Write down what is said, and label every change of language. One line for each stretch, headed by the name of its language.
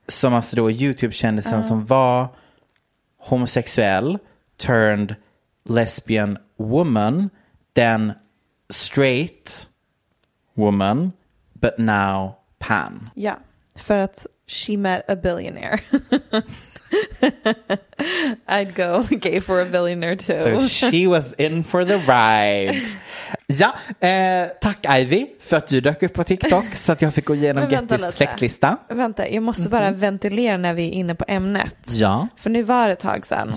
Swedish: Som alltså då YouTube-kändisen som var homosexuell,
English: turned lesbian woman, then straight woman, but now pan.
Swedish: Ja, för att
English: she met a billionaire. I'd go gay for a billionaire too. So she was in for the ride.
Swedish: Ja, tack Ivy för att du dök upp på TikTok så att jag fick gå igenom Gettys släktlista. Vänta, jag måste bara ventilera när vi är inne på ämnet. Ja. För nu var det ett tag sedan.